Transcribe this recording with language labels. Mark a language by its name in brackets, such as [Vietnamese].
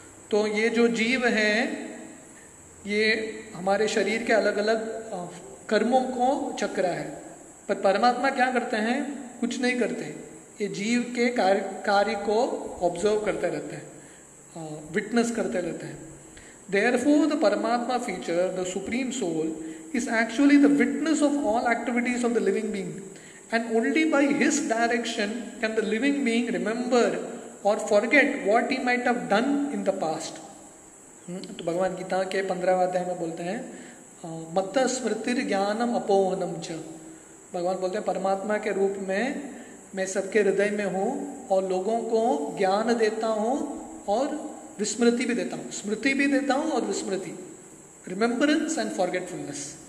[Hindi] तो ये जो जीव है ये हमारे शरीर के अलग अलग कर्मों को चक्रा है, पर परमात्मा क्या करते हैं, कुछ नहीं करते, ये जीव के कार्य को ऑब्जर्व करते रहते हैं, विटनेस करते रहते हैं. [English] therefore the परमात्मा feature the supreme soul is actually the witness of all activities of the living being. And only by his direction can the living being remember or forget what he might have done in the past. [Hindi] तो भगवान गीता के 15वें अध्याय में बोलते हैं [Sanskrit] मत्त स्मृतिर ज्ञानम अपोहनम च. [Hindi] भगवान बोलते हैं परमात्मा के रूप में मैं सबके हृदय में हूँ और लोगों को ज्ञान देता हूँ और विस्मृति भी देता हूँ, स्मृति भी देता हूँ और विस्मृति, [English] remembrance and forgetfulness.